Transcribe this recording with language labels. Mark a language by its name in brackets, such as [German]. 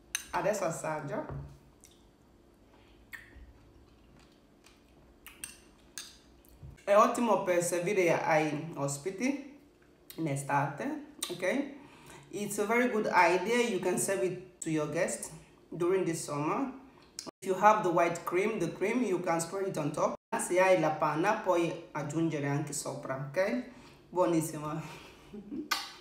[Italian] Adesso assaggio. È ottimo per servire ai ospiti in estate, ok? [English] It's a very good idea. You can serve it to your guests during the summer. If you have the white cream, the cream, you can spread it on top. [Italian] Se hai la panna, puoi aggiungere anche sopra, ok? Buonissimo.